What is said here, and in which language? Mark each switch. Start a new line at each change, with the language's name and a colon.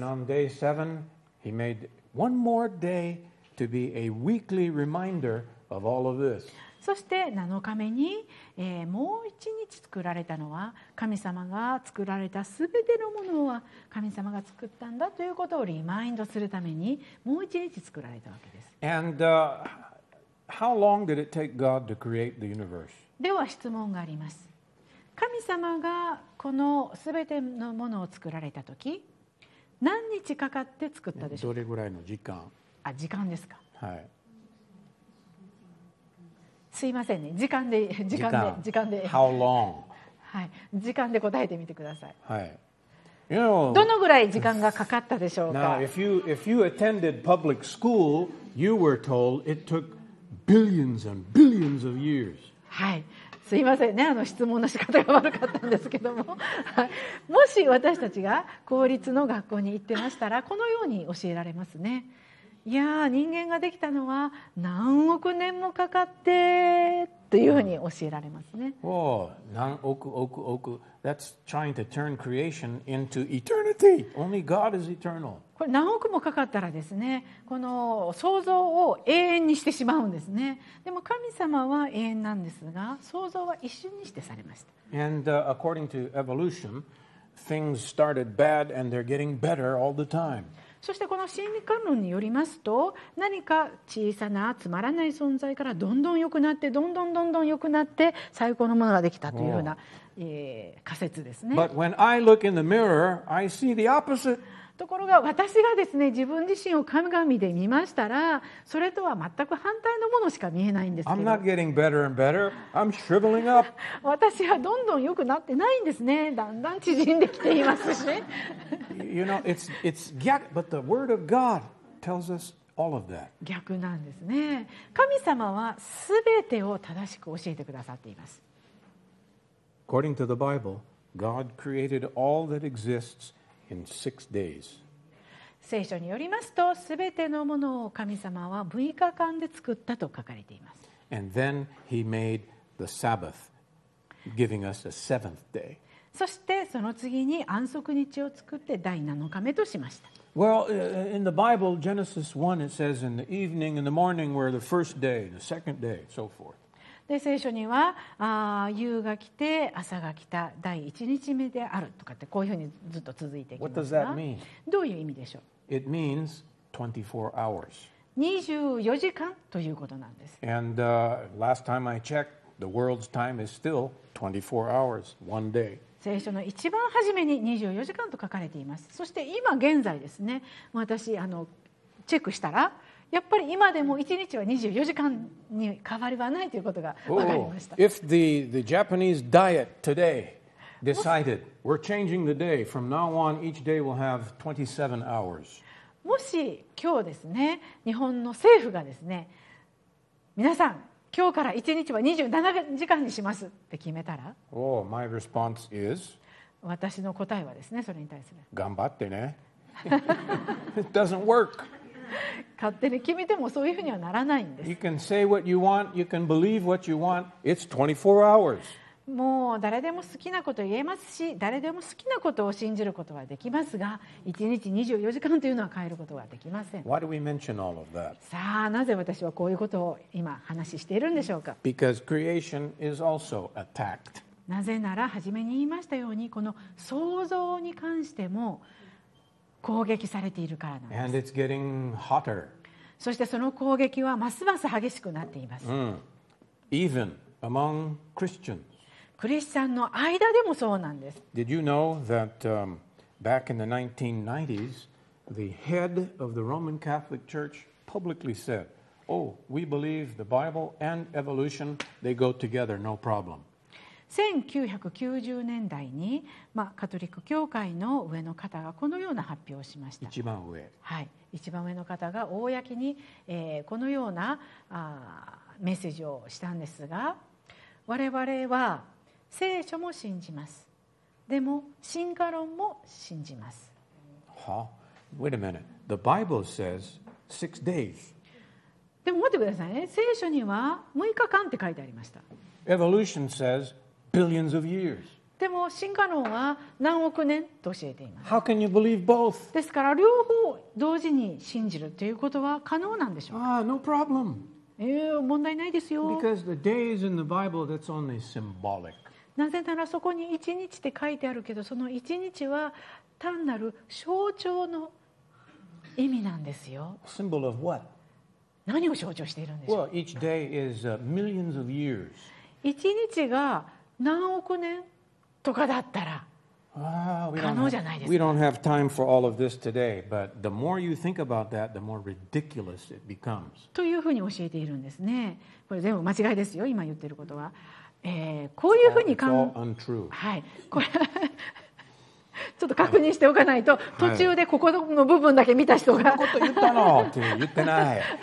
English: Then on day seven, he made one more day to be a weekly reminder of all of this.
Japanese: そして7日目に、もう一日作られたのは神様が作られたすべてのものは神様が作ったんだということをリマインドするためにもう一日作られたわけです。
English: And, how long did it take God to create the universe?
Japanese: では質問があります。神様がこのすべてのものを作られたとき何日かかって作ったでしょうか。どれぐらいの時間？あ、時間ですか。はい。すいませんね。時間で時間で時間で。
English: How long?
Japanese: はい。時間で答えてみてください。はい。
English: You know,
Japanese: どのぐらい時間がかかったでしょうか。
English: Now, if you attended public school, you were told it took billions and billions of years.
Japanese: はい。すいませんね、あの質問の仕方が悪かったんですけども、もし私たちが公立の学校に行ってましたら、このように教えられますね。いや、人間ができたのは何億年もかかってというふうに教えられますね。おお、何億億億。
English: That's trying to turn creation into eternity. Only God is eternal.
Japanese: これ何億もかかったらですね、この創造を永遠にしてしまうんですね。でも神様は永遠なんですが、創造は一瞬にしてされました。
English: And, according to evolution, things started bad and they're getting better all the time.
Japanese: そしてこの心理観論によりますと、何か小さなつまらない存在からどんどん良くなって、どんどんどんどん良くなって最高のものができたというような、仮説ですね。
English: But when I look in the mirror, I see the opposite.
Japanese: ところが私がですね、自分自身を鏡で見ましたら、それとは全く反対のものしか見えないんですけど。
English: I'm not getting better and better. I'm shriveling up.
Japanese: 私はどんどん良くなってないんですね。だんだん縮んできていますし。
English: You know, it's yet, but the word of God tells us all of that.
Japanese: 逆なんですね。神様はすべてを正しく教えてくださっています。
English: According to the Bible, God created all that exists in six days.
Japanese: 聖書によりますと、すべてのものを神様は6日間で作ったと書かれています。
English: And then he made the Sabbath, giving us a seventh day.
Japanese: そしてその次に安息日を作って第7日目としました。
English: Well, in the Bible, Genesis 1, it says in the evening and the morning were the first day, the second day, so forth.
Japanese: で、聖書には、夕が来て朝が来た第1日目であるとかってこういうふうにずっと続いていきますが。
English: What does that mean?
Japanese: どういう意味でしょう?
English: It means 24 hours.
Japanese: 24時間ということなんです。
English: And, last time I checked, the world's time is still 24 hours, one day.
Japanese: 聖書の一番初めに24時間と書かれています。そして今現在ですね、私あのチェックしたらやっぱり今でも1日は24時間に変わりはないということが分かりました。
English: If the Japanese diet today decided we're changing the day from now on each day will have 27 hours.
Japanese: もし今日ですね、日本の政府がですね、皆さん今日から1日は27時間にしますって決めたら、
English: oh, my response is,
Japanese: 私の答えはですね、それに対する頑張ってね。
English: It doesn't work.
Japanese: 勝手に決めてもそういうふうにはならないんです。
English: You can say what you want, you can believe what you want. It's 24 hours.
Japanese: もう誰でも好きなことを言えますし、誰でも好きなことを信じることはできますが、1日24時間というのは変えることはできません。
English: Why do we mention all of that?
Japanese: さあ、なぜ私はこういうことを今話しているんでしょうか。
English: Because creation is also attacked.
Japanese: なぜなら、初めに言いましたように、この創造に関しても攻撃されているからなんです。
English: And it's getting hotter.
Japanese: そしてその攻撃はますます激しくなっています。
English: Even among Christians.
Japanese: クリスチャンの間でもそうなんです。
English: Did you know that, back in the 1990s, the head of the Roman Catholic Church publicly said, "Oh, we believe the Bible and evolution, they go together, no problem."
Japanese: 1990年代に、まあ、カトリック教会の上の方がこのような発表をしました。一番上。はい、一番上の方が公に、このようなメッセージをしたんですが、我々は聖書も信じます。でも進化論も信じます。
English: はあ、Wait a minute. The Bible says six days.
Japanese: でも待ってくださいね。聖書には6日間って書いてありました。
English: Evolution says billions of years.
Japanese: でも進化論は何億年と教えています。
English: How can you believe both?
Japanese: ですから両方同時に信じるということは可能なんでしょうか。
English: Ah, no problem.
Japanese: 問題ないですよ。
English: Because the days in the Bible, that's only symbolic.
Japanese: なぜならそこに一日って書いてあるけど、その一日は単なる象徴の意味なんですよ。
English: Symbol of what?
Japanese: 何を象徴しているんでしょう。
English: Well, each day is millions of years.
Japanese: 一日が何億年とかだったら。
English: We don't have time for all of this today, but the more you think about that, the more ridiculous it becomes.
Japanese: というふうに教えているんですね。これ全部間違いですよ。今言っていることは、こういうふうに考え、はい、これちょっと確認しておかないと、途中でここの部分だけ見た人が、こんなこと言ったのって言ってない。